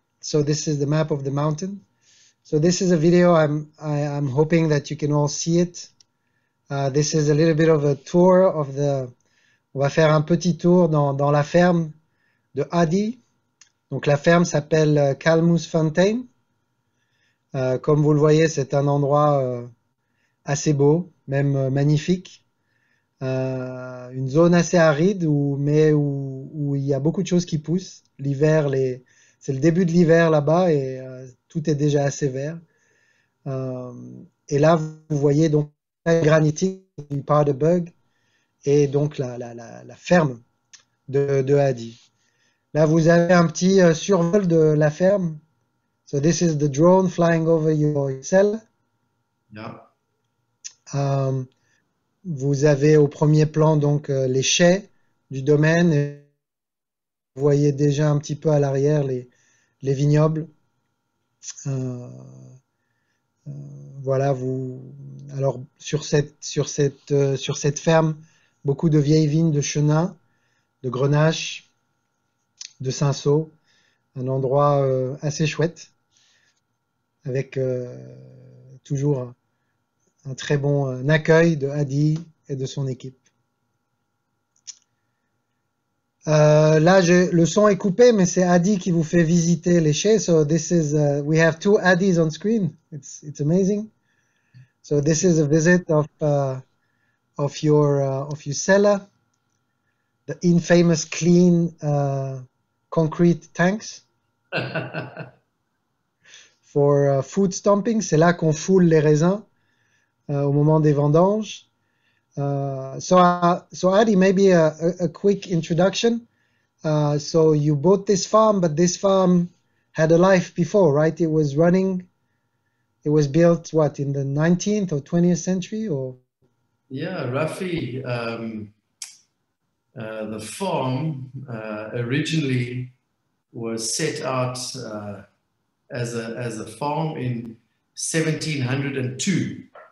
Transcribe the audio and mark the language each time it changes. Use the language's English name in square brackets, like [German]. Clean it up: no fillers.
[English] So this is the map of the mountain. So this is a video. I'm hoping that you can all see it. This is a little bit of a tour of the. [French] On va faire un petit tour dans la ferme de Adi. Donc la ferme s'appelle Calmus Fontaine. Comme vous le voyez, c'est un endroit assez beau, même magnifique. Une zone assez aride, où il y a beaucoup de choses qui poussent. L'hiver, c'est le début de l'hiver là-bas et tout est déjà assez vert. Et là, vous voyez donc la granitique du Paardeberg et donc la ferme de Adi. Là, vous avez un petit survol de la ferme. [English] So this is the drone flying over your cell. Yeah. [French] Vous avez au premier plan donc les chais du domaine. Et vous voyez déjà un petit peu à l'arrière les vignobles. Voilà, alors sur cette ferme, beaucoup de vieilles vignes de Chenin, de Grenache, de Cinsault, un endroit assez chouette. Avec toujours un très bon accueil de Adi et de son équipe. Là, le son est coupé, mais c'est Adi qui vous fait visiter les chais. [English] So this is we have two Adis on screen. It's amazing. So this is a visit of your cellar, the infamous clean concrete tanks. For food stomping, [French] c'est là qu'on foule les raisins au moment des vendanges. [English] So Adi, maybe a quick introduction. So you bought this farm, but this farm had a life before, right? It was running. It was built, what, in the 19th or 20th century, or? Yeah, roughly the farm originally was set out as a farm in 1702.